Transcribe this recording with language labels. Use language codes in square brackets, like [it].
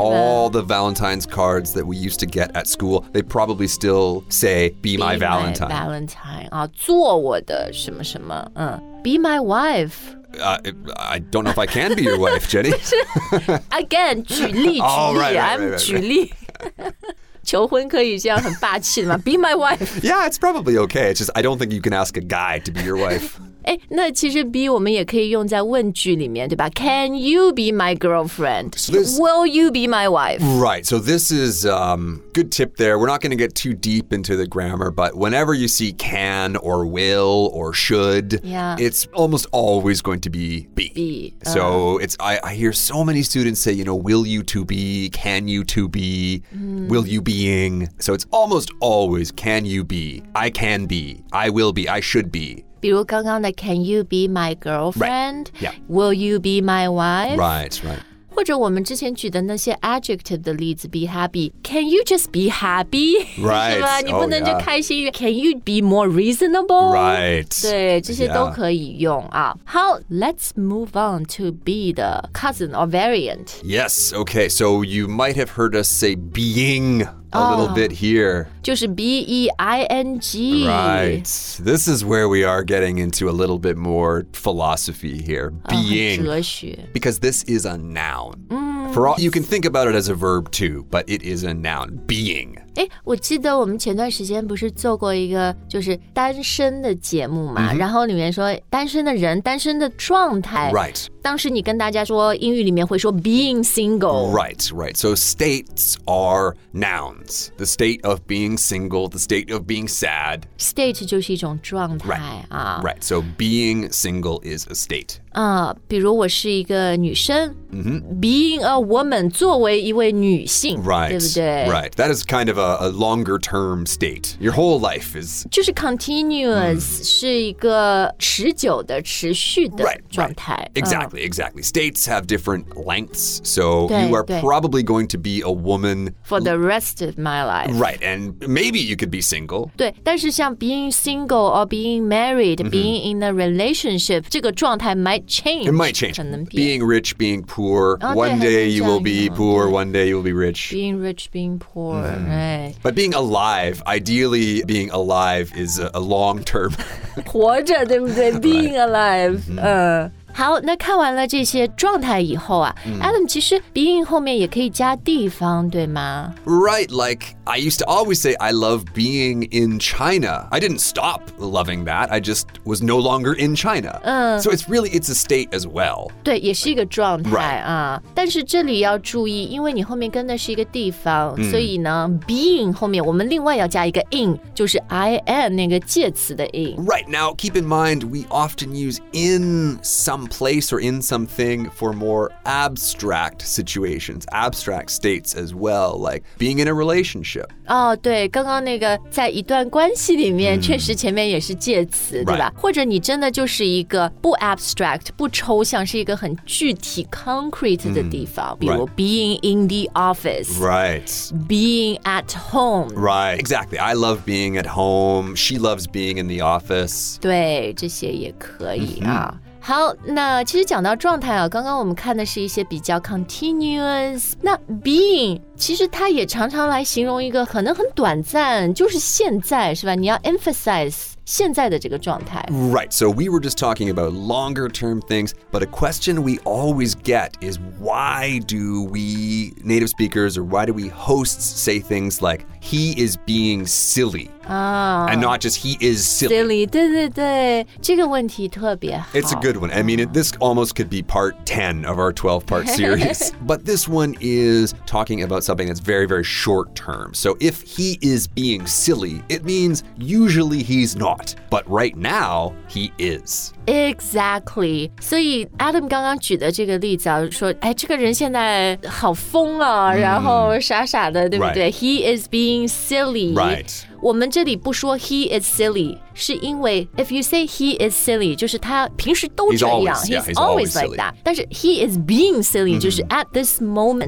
[en] ？All the Valentine's cards that we used to get at school, they probably still say "be my Valentine." Be my Valentine. [zh] 啊，做我的。什么什么， [en] be my wife. I don't know if I can be your wife, Jenny. Again, [zh] 举例举例、 [en] oh, right, right, I'm [zh] 举例。求婚可以这样很霸气的吗 ？ [en] Be my wife. Yeah, it's probably okay. It's just I don't think you can ask a guy to be your wife. [zh] 哎，那其实 be 我们也可以用在问句里面，对吧 ？ [en] Can you be my girlfriend? So this, Will you be my wife? Right. So this is good tip there. We're not going to get too deep into the grammar, but whenever you see can or will or should, yeah, it's almost always going to be be. Be. So it's I hear so many students say, you know, will you to be? Can you to be?、 Mm. Will you being? So it's almost always can you be? I can be. I will be. I should be. [zh] 比如刚刚的 [en] Can you be my girlfriend? Right, yeah. Will you be my wife? Right, right. [zh] 或者我们之前举的那些 adjective 的例子 [en] Be happy. Can you just be happy? Right. [zh] 是吧你不能就开心、 [en] oh, yeah. Can you be more reasonable? Right. [zh] 对这些都可以用啊。好 [en] let's move on to be the cousin or variant. Yes, okay. So you might have heard us say beingA little bit here. [zh] 就是 B-E-I-N-G. [en] Right. This is where we are getting into a little bit more philosophy here. Being. [zh] 哲学 [en] Because this is a noun.、 Mm. For all, you can think about it as a verb too, but it is a noun. Being. [zh] 我记得我们前段时间不是做过一个就是单身的节目嘛、mm-hmm. 然后里面说单身的人单身的状态 [en] Right. [zh] 当时你跟大家说英语里面会说 [en] being single Right, right. So states are nouns. The state of being single, the state of being sad. [zh] State 就是一种状态 [en] Right. [zh] 啊。 [en] Right, so being single is a state. [zh] 啊，比如我是一个女生、 [en] mm-hmm. Being a woman [zh] 作为一位女性 [en] Right, [zh] 对不对 [en] Right, that is kind of a longer term state. Your whole life is... [zh] 就是 continuous、mm. 是一个持久的持续的状态 [en] right, right. Exactly, exactly. States have different lengths, so you are probably going to be a woman... For the rest of my life. Right, and maybe you could be single. [zh] 对，但是像 [en] being single or being married,、mm-hmm. being in a relationship, [zh] 这个状态 [en] might change. It might change. Being rich, being poor,、one day you will be poor, one day you will be rich. Being rich, being poor,、mm. Right. But being alive, ideally being alive is a long term. [zh] 活着对不对 Being、right. alive.、好那看完了这些状态以后啊、mm. Adam 其实 being 后面也可以加地方对吗 [en] Right, like I used to always say I love being in China. I didn't stop loving that. I just was no longer in China. So it's really, it's a state as well. [zh] 对也是一个状态、right. 啊。但是这里要注意因为你后面跟的是一个地方、mm. 所以呢 being 后面我们另外要加一个 in 就是 [en] I am [zh] 那个介词的 in. [en] Right, now keep in mind we often use in someplace or in something for more abstract situations, abstract states as well, like being in a relationship. [zh] 哦、oh, ，对，刚刚那个在一段关系里面、mm. 确实前面也是介词、 [en] right. [zh] 对吧或者你真的就是一个不 abstract, 不抽象是一个很具体 concrete 的地方、mm. 比如、 [en] right. being in the office. Right. Being at home. Right, exactly. I love being at home. She loves being in the office. [zh] 对，这些也可以啊。Mm-hmm. 好那其实讲到状态啊刚刚我们看的是一些比较 continuous, 那 being, 其实它也常常来形容一个可能很短暂就是现在是吧你要 emphasize 现在的这个状态。 [en] Right, so we were just talking about longer term things, but a question we always get is why do we native speakers or why do we hosts say things like, he is being silly? Oh, and not just he is silly. [zh] Silly, 对对对，这个问题特别好。 [en] It's a good one. I mean, this almost could be part 10 of our 12-part series. But this one is talking about something that's very, very short term. So if he is being silly, it means usually he's not. But right now, he is. Exactly. [zh] 所以 Adam 刚刚举的这个例子啊，说，哎，这个人现在好疯啊，然后傻傻的，对不对？ [en] Right. He is being silly. Right. [zh] 我们这里不说 [en] he is silly. [zh] 是因为 [en] if you say he is silly [zh] 就是他平时都这样 [en] he's always like that [zh] 但是 [en] he is being silly、 [zh] mm-hmm. 就是 [en] at this moment、